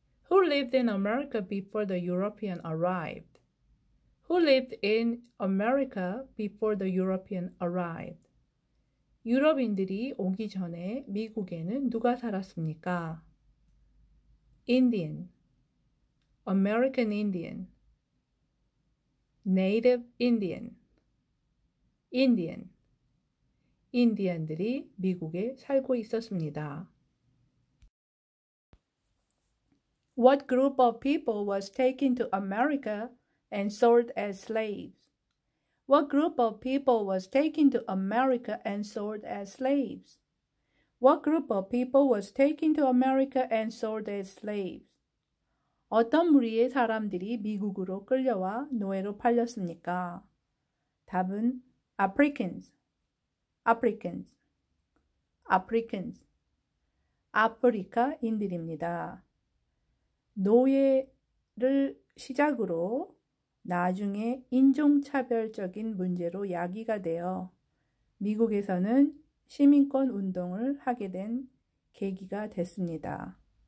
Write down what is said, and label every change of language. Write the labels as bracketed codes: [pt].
[en] Who lived in America before the European arrived? Who lived in America before the European arrived? [ko] 유럽인들이 오기 전에 미국에는 누가 살았습니까? [en] Indian. American Indian. Native Indian. Indian. [ko] 인디언들이 미국에 살고 있었습니다. [en] What group of people was taken to America and sold as slaves? What group of people was taken to America and sold as slaves? What group of people was taken to America and sold as slaves? [ko] 어떤 무리의 사람들이 미국으로 끌려와 노예로 팔렸습니까? 답은 [en] Africans. Africans. Africans. [ko] 아프리카인들입니다. 노예를 시작으로 나중에 인종차별적인 문제로 야기가 되어 미국에서는 시민권 운동을 하게 된 계기가 됐습니다.